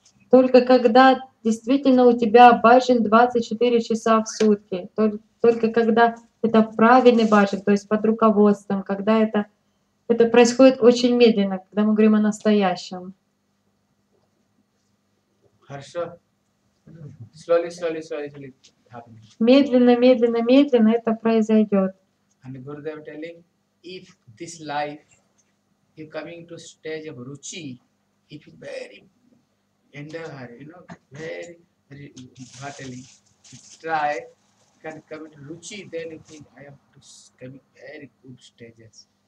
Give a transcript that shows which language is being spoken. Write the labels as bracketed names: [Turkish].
[Russian] Только когда действительно у тебя баджан 24 часа в сутки, только когда это правильный баджан, то есть под руководством, когда это происходит очень медленно, когда мы говорим о настоящем. Хорошо. [English] Slowly, slowly, slowly, slowly happening. [Russian] Медленно, медленно, медленно это произойдет. [English] And Gurudev telling, if this life, you coming to stage of ruchi, if you very endeavor, you know, very, very telling, try, can come to ruchi, then you think I am to coming very good stages.